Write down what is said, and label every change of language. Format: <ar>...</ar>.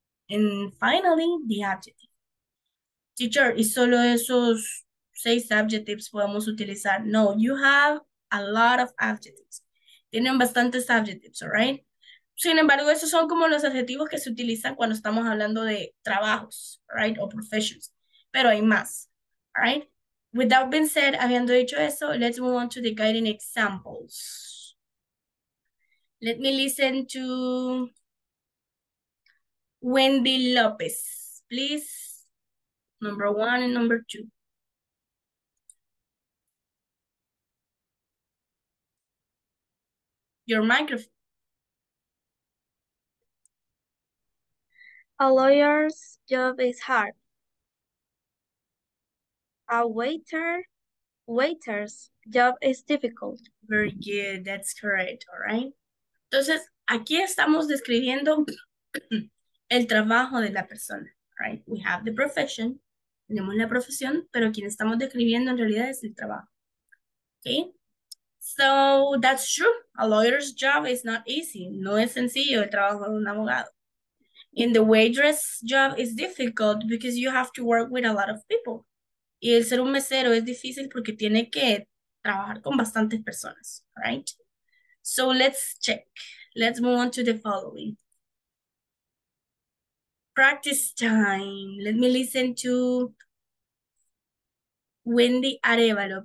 <en>And finally, the adjective. Teacher,</en> <es>¿y solo esos 6 adjectives podemos utilizar?</es> <en>No, you have a lot of adjectives.</en> <es>Tienen bastantes</es> <en>adjectives, all right?</en> <es>Sin embargo, esos son como los adjetivos que se utilizan cuando estamos hablando de trabajos,</es> <en>right?</en> <es>O professions. Pero hay más,</es> <en>all right? With that being said,</en> <es>habiendo dicho eso,</es> <en>let's move on to the guiding examples. Let me listen to Wendy Lopez, please. Number one and number two. Your microphone. A lawyer's job is hard. A waiter's job is difficult. Very good, that's correct, all right?</en> <es>Entonces, aquí estamos describiendo el trabajo de la persona,</es> <en>right? We have the profession,</en> <es>tenemos la profesión, pero quien estamos describiendo en realidad es el trabajo, okay?</es> <en>So, that's true. A lawyer's job is not easy.</en> <es>No es sencillo el trabajo de un abogado.</es> <en>And the waitress job is difficult because you have to work with a lot of people.</en> <es>Y el ser un mesero es difícil porque tiene que trabajar con bastantes personas,</es> <en>right? So let's check. Let's move on to the following. Practice time. Let me listen to Wendy Arevalo.</en>